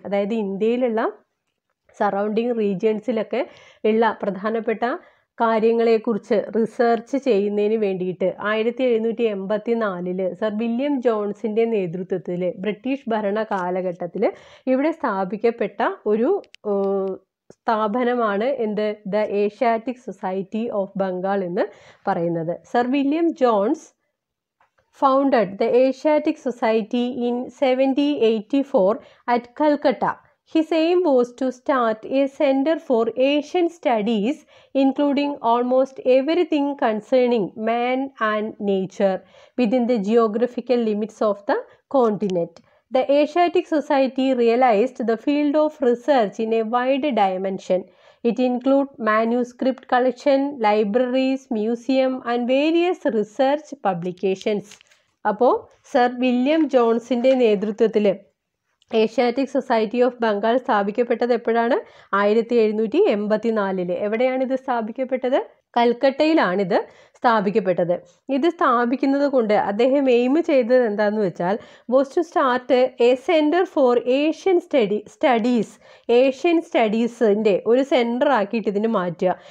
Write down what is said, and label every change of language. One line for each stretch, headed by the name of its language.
Malayalam: അതായത് ഇന്ത്യയിലുള്ള സറൗണ്ടിങ് റീജിയൻസിലൊക്കെ ഉള്ള പ്രധാനപ്പെട്ട കാര്യങ്ങളെക്കുറിച്ച് റിസർച്ച് ചെയ്യുന്നതിന് വേണ്ടിയിട്ട് 1784 സർ വില്യം ജോൺസിൻ്റെ നേതൃത്വത്തിൽ ബ്രിട്ടീഷ് ഭരണ കാലഘട്ടത്തിൽ ഇവിടെ സ്ഥാപിക്കപ്പെട്ട ഒരു സ്ഥാപനമാണ് എന്ത്, the Asiatic society of Bengal എന്ന് പറയുന്നത്.
English: Sir William Jones founded the Asiatic Society in 1784 at Calcutta. His aim was to start a center for Asian studies, including almost everything concerning man and nature within the geographical limits of the continent. The Asiatic Society realized the field of research in a wide dimension. It includes manuscript collection, libraries, museum, and various research publications.
Malayalam: Appo Sir William Jones-inte nethrutvathile Asiatic society of Bengal സ്ഥാപിക്കപ്പെട്ടത് എപ്പോഴാണ്? 1784. എവിടെയാണിത് സ്ഥാപിക്കപ്പെട്ടത്? കൽക്കട്ടയിലാണിത് സ്ഥാപിക്കപ്പെട്ടത്. ഇത് സ്ഥാപിക്കുന്നത് കൊണ്ട് അദ്ദേഹം aim ചെയ്തത് എന്താണെന്ന് വെച്ചാൽ,
English: was to start a centre for Asian studies
Malayalam: Asian സ്റ്റഡീസിൻ്റെ ഒരു centre ആക്കിയിട്ട് ഇതിന് മാറ്റുക.